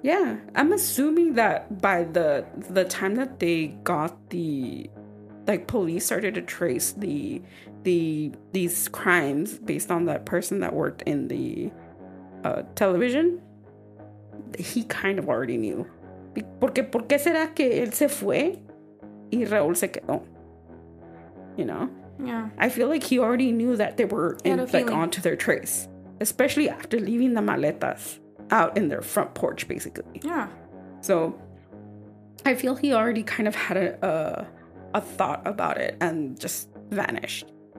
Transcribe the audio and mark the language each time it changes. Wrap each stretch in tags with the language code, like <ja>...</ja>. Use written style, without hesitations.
<en>Yeah, I'm assuming that by the time that they got the, like, police started to trace these crimes based on that person that worked in the television, he kind of already knew.</en> <es>¿Por qué será que él se fue y Raúl se quedó?</es> <en>You know? Yeah. I feel like he already knew that they were onto their trace. Especially after leaving the maletas out in their front porch, basically. Yeah. So, I feel he already kind of had a thought about it and just vanished.</en>